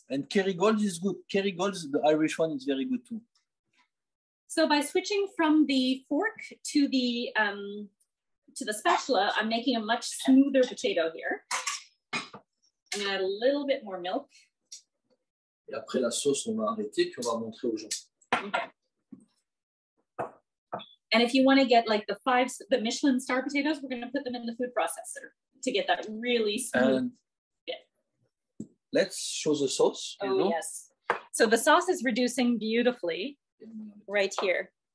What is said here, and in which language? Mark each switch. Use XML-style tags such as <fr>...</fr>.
<en>And Kerrygold is good. Kerrygold, the Irish one, is very good too. So by switching from the fork to the spatula, I'm making a much smoother potato here. I'm going to add a little bit more milk.</en> <fr>Et après la sauce, on va arrêter, puis on va montrer aux gens.</fr> <en>Okay. And if you want to get like the Michelin star potatoes, we're going to put them in the food processor to get that really smooth. Yeah. Let's show the sauce. Yes. So the sauce is reducing beautifully right here.</en>